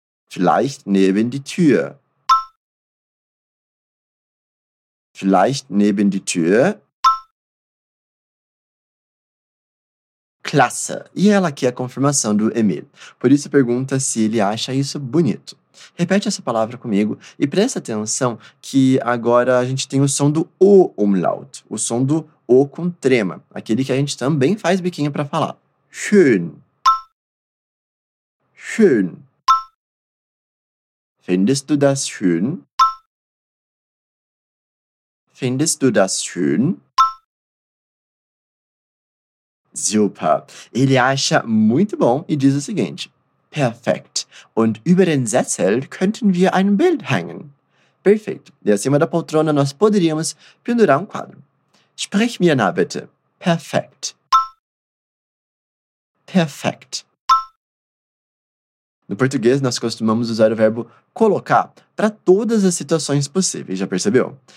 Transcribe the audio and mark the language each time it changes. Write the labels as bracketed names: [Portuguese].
[German] Vielleicht neben die Tür. Vielleicht neben die Tür. Klasse. [Portuguese] E ela quer a confirmação do Emil. Por isso pergunta se ele acha isso bonito. Repete essa palavra comigo e presta atenção que agora a gente tem o som do O umlaut, o som do O com trema, aquele que a gente também faz biquinho para falar. [German] Schön. Schön. Findest du das schön? Findest du das schön? Super. [Portuguese] Ele acha muito bom e diz o seguinte. [German] Perfekt. Und über den Sessel könnten wir ein Bild hängen. [Portuguese] Perfeito. E acima da poltrona nós poderíamos pendurar um quadro. [German] Sprich mir na bitte. Perfekt. Perfekt. [Portuguese] No português, nós costumamos usar o verbo colocar para todas as situações possíveis, já percebeu?